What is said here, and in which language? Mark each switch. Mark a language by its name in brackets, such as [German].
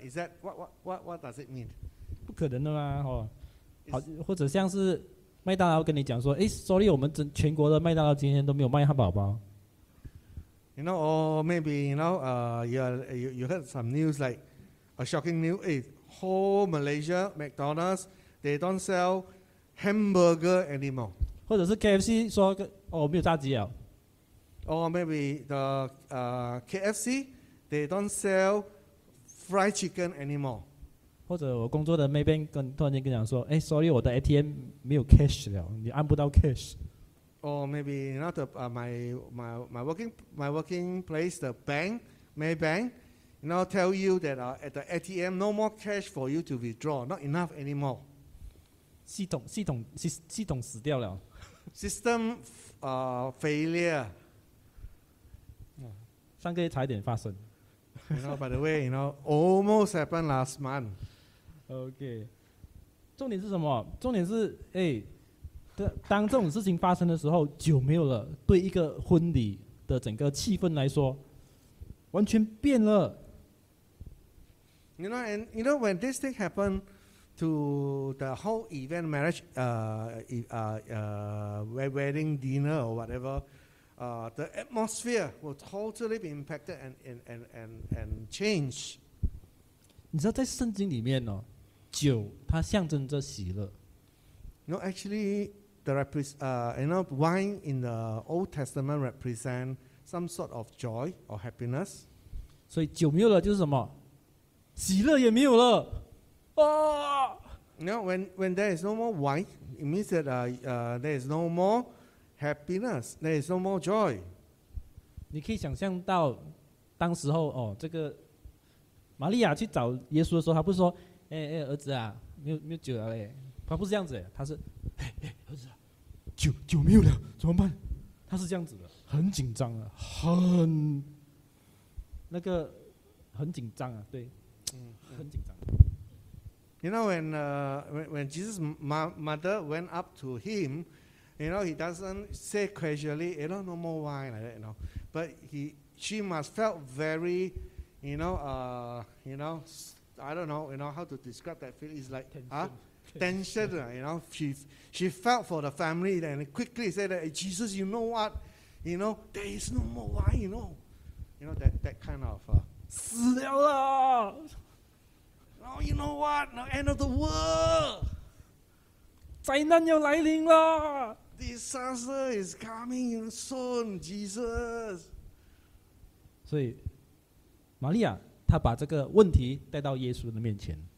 [English] Is that, what does it mean? [Chinese] 不可能的嘛，哦，好，或者像是麦当劳跟你讲说，诶，sorry，我们全国的麦当劳今天都没有卖汉堡包。 [English] You know, or maybe, you know, you heard some news like,A shocking news is whole Malaysia McDonald's they don't sell hamburger anymore. [Chinese] 或者是 KFC 说哦没有炸鸡了。 [English] Or maybe the KFC they don't sell fried chicken anymore. [Chinese] 或者我工作的妹妹跟突然间跟讲说，哎 ，sorry， 我的 ATM 没有 cash 了，你按不到 cash。 [English] Or maybe not my working place, the bank, Maybank, you know, tell you that at the ATM no more cash for you to withdraw, not enough anymore. [Chinese] 系统死掉了。 [English] System failure. [Chinese] 上个月差一点发生。 [English] You know, by the way, you know, almost happened last month. [Chinese] Okay. 重点是什么？重点是哎。当这种事情发生的时候，酒没有了，对一个婚礼的整个气氛来说，完全变了。 [English] You know, and you know when this thing happened to the whole event, marriage, wedding dinner or whatever, the atmosphere will totally be impacted and change. [Chinese] 你知道在圣经里面哦，酒它象征着喜乐。 [English] No, actually. Wine in the Old Testament represent some sort of joy or happiness. [Chinese] 所以酒没有了就是什么？喜乐也没有了。啊！ [English] You know, when there is no more wine, it means that there is no more happiness, there is no more joy. [Chinese] 你可以想象到当时候哦，这个玛利亚去找耶稣的时候，他不是说，哎，儿子啊，没有酒了嘞。他不是这样子，他是，儿子，酒没有了，怎么办？他是这样子的，很紧张啊，很那个，很紧张啊，对，很紧张。 [English] You know when Jesus' mother went up to him, you know he doesn't say casually, you know, no more wine like that, you know, but she must felt very, I don't know, you know how to describe that feeling. It's like, tension, you know, she felt for the family and quickly said that, hey, Jesus, you know what, you know, there is no more wine, you know, that kind of, [Chinese] 死了啦 [English] oh, you know what, the end of the world, [Chinese] 灾难要来临啦 [English] disaster is coming soon, Jesus. [Chinese] 所以玛利亚她把这个问题带到耶稣的面前